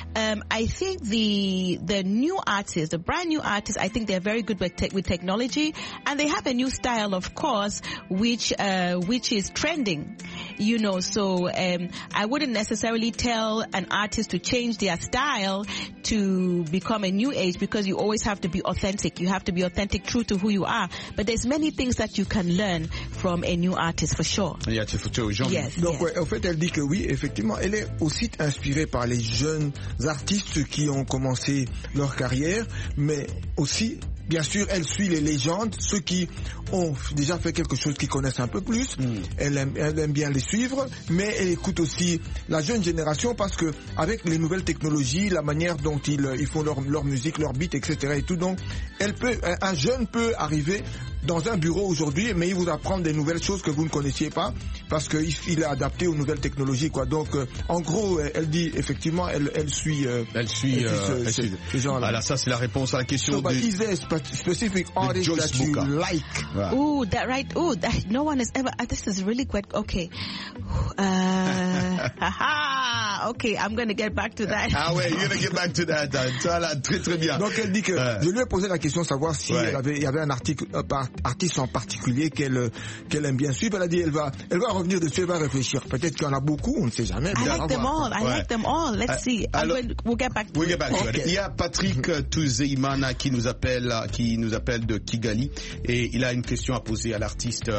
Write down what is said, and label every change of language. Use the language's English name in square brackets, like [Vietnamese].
[English] I think the new artists, the brand new artists, I think they're very good with technology, and they have a new style, of course, which is trending, you know. So I wouldn't necessarily tell an artist to change their style to become a new age, because you always have to be authentic. You have to be authentic, true to who you are. But there's many things that you can learn from a new artist, for sure. Yeah, [French] c'est foutu, Jean. [English] Yes. [French] Donc, [English] yes. [French] En fait, elle dit que oui, effectivement, elle est aussi inspirée par les jeunes artistes qui ont commencé leur carrière, mais aussi, bien sûr, elle suit les légendes, ceux qui ont déjà fait quelque chose, qu'ils connaissent un peu plus. Mm. Elle aime bien les suivre, mais elle écoute aussi la jeune génération, parce que avec les nouvelles technologies, la manière dont ils font leur musique, leur beat, etc. et tout, donc elle peut, un jeune peut arriver dans un bureau aujourd'hui, mais il vous apprend des nouvelles choses que vous ne connaissiez pas, parce que il est adapté aux nouvelles technologies, quoi. Donc, en gros, elle dit, effectivement, elle suit ce genre-là. Voilà, ça, c'est la réponse à la question. [English] So, but is there a specific artist that you like? Yeah. Ooh, that right. Ooh, that, no one has ever, this is really quite, okay. okay, I'm gonna get back to that. [French] Ah ouais, [English] you're gonna get back to that. [French] Voilà, très très bien. Donc, elle dit que, je lui ai posé la question, savoir si il y avait un article, artiste en particulier qu'elle aime bien suivre. Elle a dit elle va revenir dessus, elle va réfléchir. Peut-être qu'il y en a beaucoup, on ne sait jamais. [English] I like them all. Let's see. We'll get back to it. [French] Il y a Patrick Tuzeimana qui nous appelle de Kigali, et il a une question à poser à l'artiste.